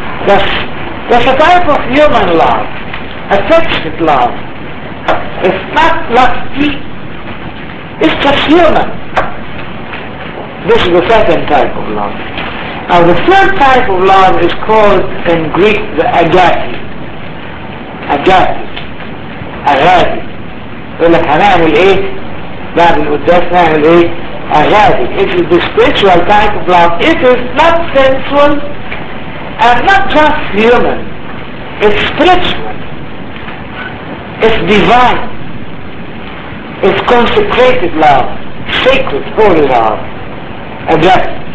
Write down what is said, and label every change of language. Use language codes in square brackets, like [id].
[en] That's a type of human love. Affectionate love. It's not lusty. It's just human. This is the second type of love. Now the third type of love is called in Greek the agape. Agape. Agape. [ar] يقول لك هنعمل ايه؟ بعد القداس نعمل ايه؟ Agape. [en] It is the spiritual type of love. It is not sensual and not just human. It's spiritual. It's divine. It's consecrated love. Sacred, holy love. Agape.